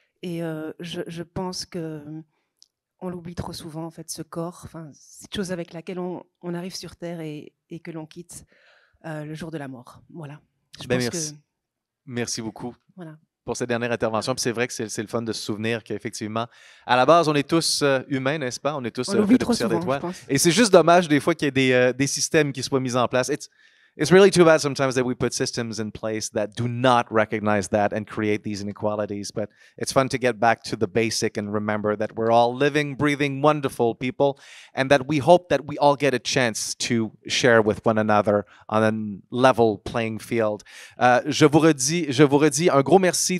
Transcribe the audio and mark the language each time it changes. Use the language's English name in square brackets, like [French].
[French] Et je pense qu'on l'oublie trop souvent, en fait, ce corps, cette chose avec laquelle on arrive sur Terre et que l'on quitte le jour de la mort. Voilà. Merci beaucoup. Voilà. Pour cette dernière intervention. Puis c'est vrai que c'est le fun de se souvenir qu'effectivement, à la base, on est tous humains, n'est-ce pas? On est tous faits de poussière d'étoiles. Et c'est juste dommage des fois qu'il y ait des systèmes qui soient mis en place. [English] It's really too bad sometimes that we put systems in place that do not recognize that and create these inequalities. But it's fun to get back to the basic and remember that we're all living, breathing, wonderful people, and that we hope that we all get a chance to share with one another on a level playing field. [French] Je vous redis un gros merci.